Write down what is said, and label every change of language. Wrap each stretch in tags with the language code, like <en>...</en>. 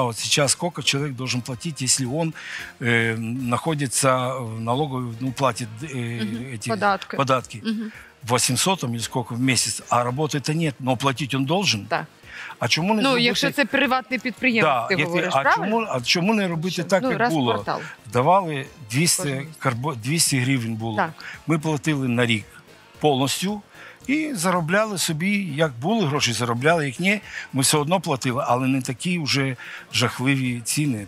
<uk>От зараз скільки чоловік має платити, якщо він знаходиться в налоговій, ну, платить ці податки.</uk> <ru>800 там, или сколько в месяц, а работы-то нет, но платить он должен. Да.</ru> <uk>А чому не робити? Ну, якщо це приватний підприємець, да, ти говориш, правильно? А чому не робити що? Так, ну, як було? Квартал. Давали 200 гривень було. Так. Ми платили на рік повністю і заробляли собі, як були гроші, заробляли, як ні, ми все одно платили, але не такі вже жахливі ціни.</uk>